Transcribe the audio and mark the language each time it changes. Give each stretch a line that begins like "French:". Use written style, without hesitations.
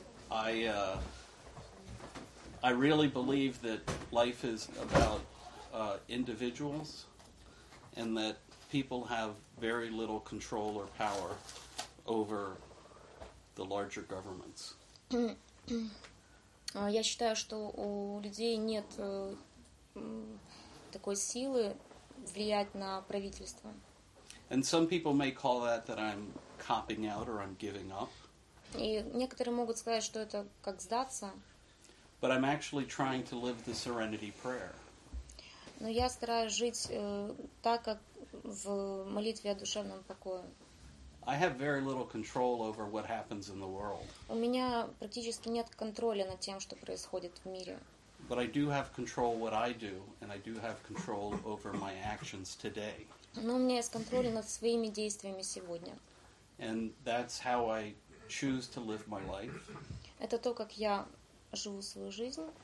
English: I really believe that life is about individuals and that people have very little control or power over the larger governments.
Russian: Я считаю, что у людей нет такой силы влиять на правительство.
English: And some people may call that I'm copping out or I'm giving up.
Russian: И некоторые могут сказать, что это как сдаться.
English: But I'm actually trying to live the serenity prayer.
Russian: Но я стараюсь жить так, как в молитве о душевном покое.
English: I have very little control over what happens in the world.
Russian: У меня практически нет контроля над тем, что происходит в мире.
English: But I do have control what I do, and I do have control over my actions today.
Russian: Но у меня есть контроль над своими действиями сегодня.
English: And that's how I choose to live my life.
Russian: Это то, как я живу свою жизнь.